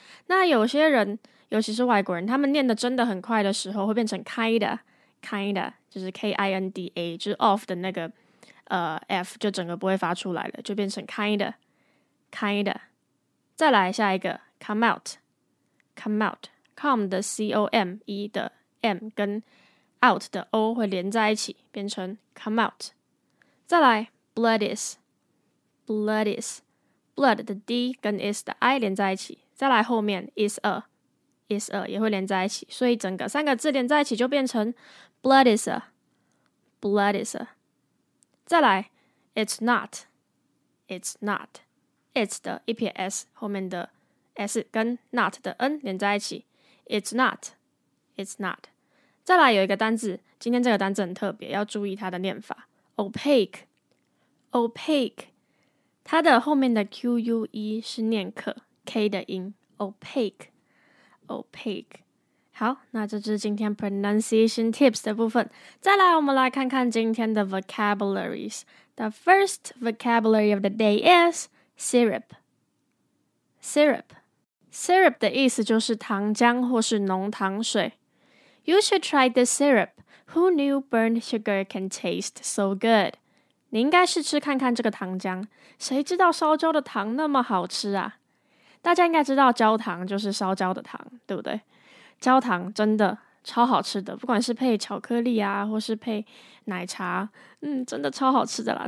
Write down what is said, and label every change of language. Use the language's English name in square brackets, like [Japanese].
[Chinese] 那有些人，尤其是外国人，他们念得真的很快的时候，会变成 kinda， 就是 kinda， 就是 of 的那个f 就整个不会发出来了，就变成 kinda。再来下一个 come out，come 的 c o m e 的 m 跟 out 的 o 会连在一起，变成 come out。再来 blood is，blood 的 d 跟 is 的 i 连在一起，再来后面 is a 也会连在一起，所以整个三个字连在一起就变成 blood is a。再来 it's not， it's 的一撇 s 后面的 s 跟 not 的 n 连在一起， it's not。再来有一个单字，今天这个单字很特别，要注意它的念法， opaque， 它的后面的 que 是念可 k 的音， opaque。好，那这就是今天 pronunciation tips 的部分。再来我们来看看今天的 vocabularies。 [English] The first vocabulary of the day is syrup [Chinese] 的意思就是糖浆或是浓糖水。 [English] You should try this syrup. Who knew burnt sugar can taste so good? [Chinese] 你应该试吃看看这个糖浆，谁知道烧焦的糖那么好吃啊。大家应该知道焦糖就是烧焦的糖，对不对？焦糖真的超好吃的，不管是配巧克力啊，或是配奶茶，真的超好吃的啦。